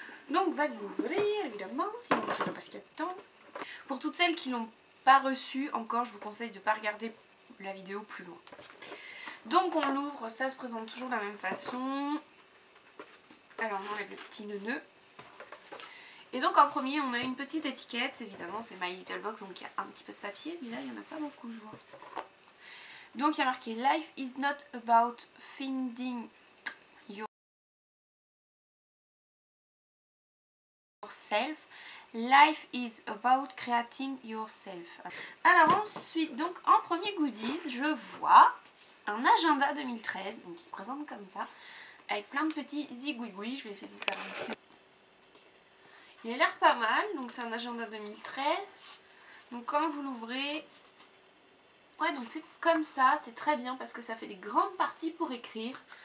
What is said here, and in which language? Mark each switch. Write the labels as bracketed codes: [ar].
[fr] Donc va l'ouvrir évidemment, sinon je ne sais pas ce qu'il y a de temps. Pour toutes celles qui l'ont pas reçu encore, je vous conseille de ne pas regarder la vidéo plus loin. Donc on l'ouvre, ça se présente toujours de la même façon. Alors on enlève le petit nœud. Et donc en premier, on a une petite étiquette. Évidemment, c'est My Little Box, donc il y a un petit peu de papier, mais là il n'y en a pas beaucoup, je vois. Donc il y a marqué [en] Life is not about finding yourself. Life is about creating yourself. [fr] Alors ensuite, donc en premier goodies, je vois un agenda 2013, donc qui se présente comme ça, avec plein de petits zigouigouis. Je vais essayer de vous faire un petit. Il a l'air pas mal, donc c'est un agenda 2013. Donc quand vous l'ouvrez, ouais, donc c'est comme ça, c'est très bien parce que ça fait des grandes parties pour écrire.